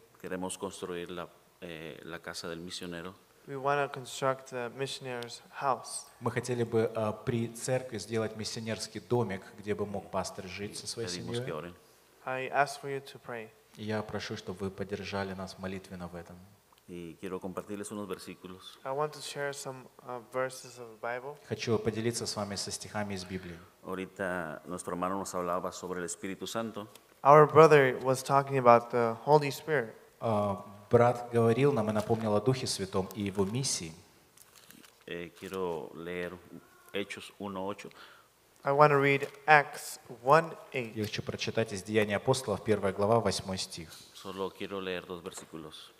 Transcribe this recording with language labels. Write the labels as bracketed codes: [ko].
[es] Queremos construir la casa del misionero. [en] We want to construct the missionary's house. [ru] Мы хотели бы при церкви сделать миссионерский домик, где бы мог пастор жить со своей семьей. [en] I ask for you to pray. [ru] Я прошу, чтобы вы поддержали нас молитвенно в этом. [es] Y quiero compartirles unos versículos. [en] I want to share some verses of the Bible. [ru] Хочу поделиться с вами со стихами из Библии. [es] Ahorita nuestro hermano nos hablaba sobre el Espíritu Santo. [en] Our brother was talking about the Holy Spirit. [ru] Брат говорил нам и напомнил о Духе Святом и его миссии. [es] quiero leer Hechos 1:8. [en] I want to read Acts 1:8. [ru] Я хочу прочитать из Деяний апостолов, 1 глава, 8 стих. [es] Solo quiero leer dos versículos.